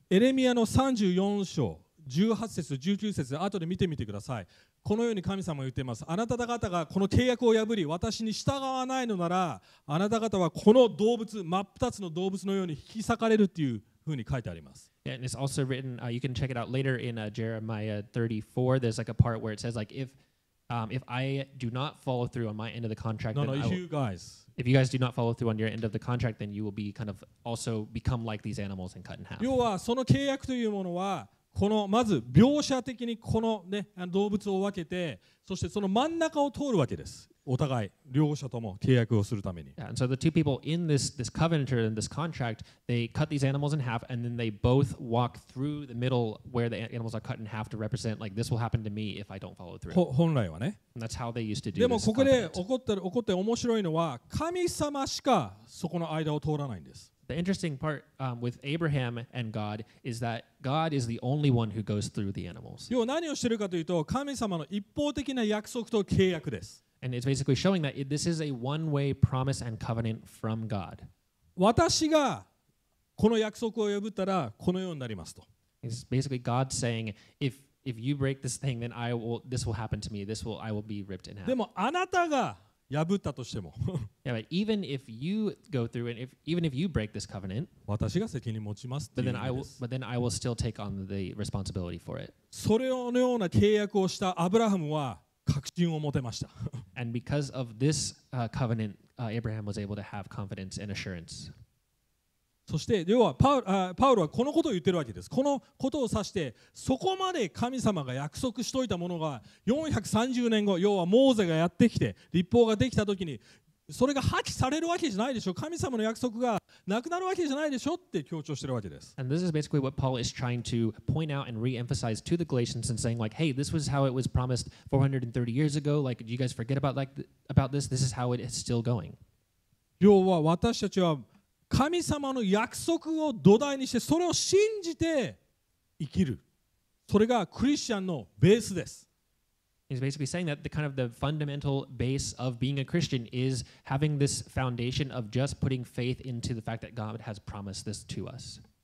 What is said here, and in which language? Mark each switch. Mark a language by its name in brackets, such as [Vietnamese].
[Japanese] エレミアの34章。 18節と19節で後で見てみてください。このように神様は言っています。あなた方がこの契約を破り、私に従わないのなら、あなた方はこの動物、真っ二つの動物のように引き裂かれるというふうに書いてあります。 [English] Yeah, and it's also written, you can check it out later in Jeremiah 34. There's like a part where it says, like, if I do not follow through on my end of the contract, no, then no, you guys. If you guys do not follow through on your end of the contract, then you will be kind of also become like these animals and cut in half. [Japanese] 要はその契約というものは、このまず描写的にこの、ね、動物を分けてそしてその真ん中を通るわけですお互い両者とも契約をするために [English] yeah, and so the two people in this covenant or in this contract they cut these animals in half and then they both walk through the middle where the animals are cut in half to represent like this will happen to me if I don't follow through [Japanese] 本来はね [English] and that's how they used to do [Japanese] でもここで起こって面白いのは神様しかそこの間を通らないんです [English] The interesting part with Abraham and God is that God is the only one who goes through the animals. [Japanese] 要は何をしているかというと、神様の一方的な約束と契約です。 [English] And it's basically showing that this is a one-way promise and covenant from God. [Japanese] 私がこの約束を破ったらこのようになりますと。 [English] It's basically God saying, if you break this thing, then this will happen to me. I will be ripped in half. [Japanese] でもあなたが破ったとしても [English] yeah, but even if you go through and even if you break this covenant [Japanese] 私が責任持ちますっていう意味です [English] but then I will still take on the responsibility for it [Japanese] それのような契約をしたアブラハムは確信を持てました [English] and because of this covenant Abraham was able to have confidence and assurance [Japanese] そして要はパウロはこのことを言ってるわけです。このことを指してそこまで神様が約束しといたものが430年後、要はモーゼがやってきて律法ができた時にそれが破棄されるわけじゃないでしょ。神様の約束がなくなるわけじゃないでしょって強調してるわけです。 [English] And this is basically what Paul is trying to point out and re-emphasize to the Galatians and saying like, hey, this was how it was promised 430 years ago. Like, did you guys forget about this? This is how it is still going. [Japanese] 要は私たちは神様の約束を土台にしてそれを信じて生きる。それがクリスチャンのベースです。 [English] He's basically saying that the kind of the fundamental base of being a Christian is having this foundation of just putting faith into the fact that God has promised this to us.